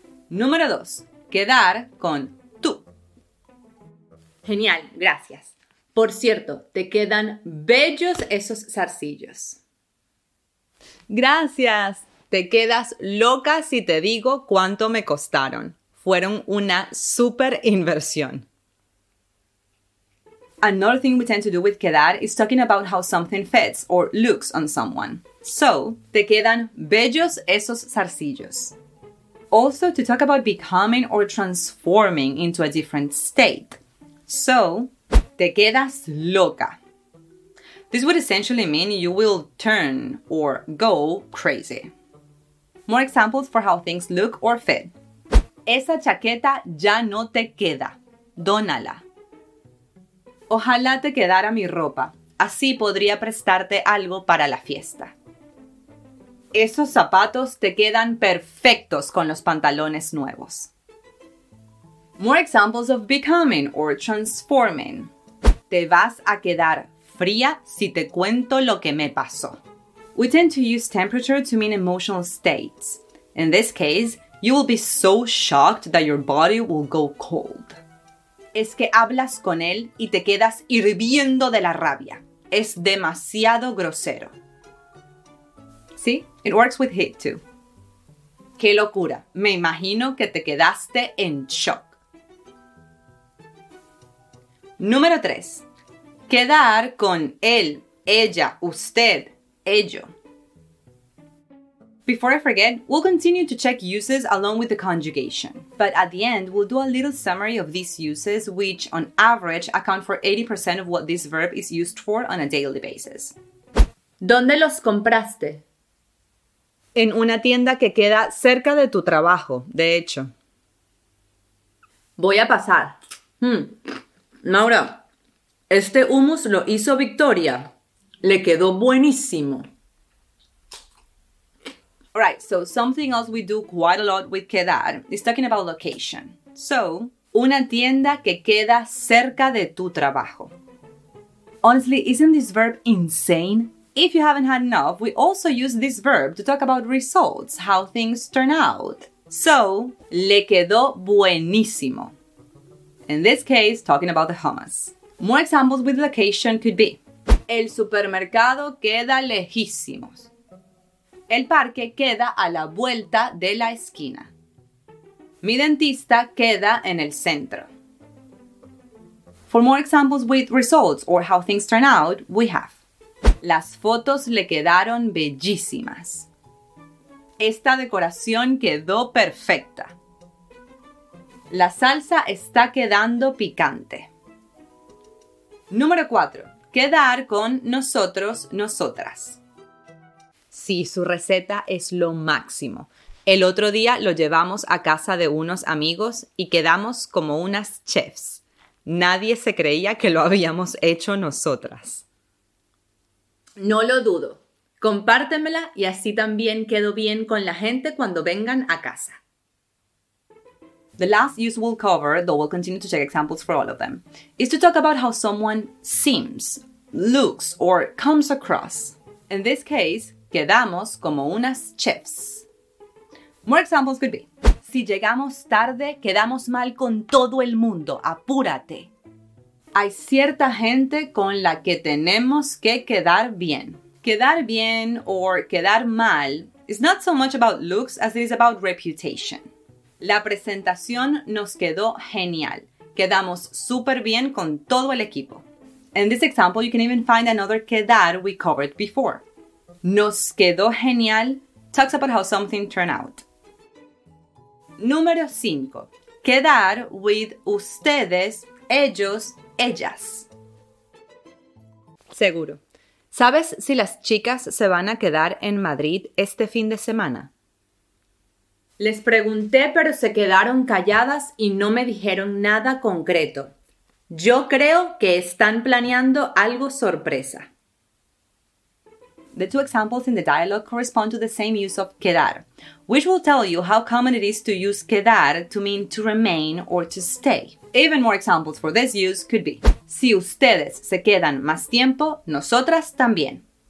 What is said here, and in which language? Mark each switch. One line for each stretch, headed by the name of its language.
Spanish: Número 2. Quedar con tú. Genial, gracias. Por cierto, te quedan bellos esos zarcillos. Gracias. Te quedas loca si te digo cuánto me costaron. Fueron una super inversión.
English: Another thing we tend to do with quedar is talking about how something fits or looks on someone. So,
Spanish: te quedan bellos esos zarcillos.
English: Also, to talk about becoming or transforming into a different state. So,
Spanish: te quedas loca.
English: This would essentially mean you will turn or go crazy. More examples for how things look or fit.
Spanish: Esa chaqueta ya no te queda. Dónala. Ojalá te quedara mi ropa. Así podría prestarte algo para la fiesta. Esos zapatos te quedan perfectos con los pantalones nuevos.
English: More examples of becoming or transforming.
Spanish: Te vas a quedar fría si te cuento lo que me pasó.
English: We tend to use temperature to mean emotional states. In this case, you will be so shocked that your body will go cold.
Spanish: Es que hablas con él y te quedas hirviendo de la rabia. Es demasiado grosero.
English: Sí, it works with heat too.
Spanish: Qué locura. Me imagino que te quedaste en shock. Número 3. Quedar con él, ella, usted, ello.
English: Before I forget, we'll continue to check uses along with the conjugation. But at the end, we'll do a little summary of these uses, which on average account for 80% of what this verb is used for on a daily basis.
Spanish: ¿Dónde los compraste? En una tienda que queda cerca de tu trabajo, de hecho. Voy a pasar. Maura, este hummus lo hizo Victoria. Le quedó buenísimo.
English: Alright, so something else we do quite a lot with quedar is talking about location.
Spanish: So, una tienda que queda cerca de tu trabajo.
English: Honestly, isn't this verb insane? If you haven't had enough, we also use this verb to talk about results, how things turn out. So,
Spanish: le quedó buenísimo.
English: In this case, talking about the hummus. More examples with location could be:
Spanish: el supermercado queda lejísimos. El parque queda a la vuelta de la esquina. Mi dentista queda en el centro.
English: For more examples with results or how things turn out, we have:
Spanish: las fotos le quedaron bellísimas. Esta decoración quedó perfecta. La salsa está quedando picante. Número 4. Quedar con nosotros, nosotras. Sí, su receta es lo máximo. El otro día lo llevamos a casa de unos amigos y quedamos como unas chefs. Nadie se creía que lo habíamos hecho nosotras. No lo dudo. Compártemela y así también quedo bien con la gente cuando vengan a casa.
English: The last use we'll cover, though we'll continue to check examples for all of them, is to talk about how someone seems, looks, or comes across. In this case,
Spanish: quedamos como unas chefs.
English: More examples could be:
Spanish: si llegamos tarde, quedamos mal con todo el mundo. Apúrate. Hay cierta gente con la que tenemos que quedar bien. Quedar bien
English: or
Spanish: quedar mal
English: is not so much about looks as it is about reputation.
Spanish: La presentación nos quedó genial. Quedamos súper bien con todo el equipo.
English: In this example, you can even find another quedar we covered before.
Spanish: Nos quedó genial
English: talks about how something turned out.
Spanish: Número 5. Quedar
English: with
Spanish: ustedes, ellos, ellas. Seguro. ¿Sabes si las chicas se van a quedar en Madrid este fin de semana? Les pregunté, pero se quedaron calladas y no me dijeron nada concreto. Yo creo que están planeando algo sorpresa.
English: The two examples in the dialogue correspond to the same use of quedar, which will tell you how common it is to use quedar to mean to remain or to stay. Even more examples for this use could be:
Spanish: si ustedes se quedan más tiempo, nosotras también.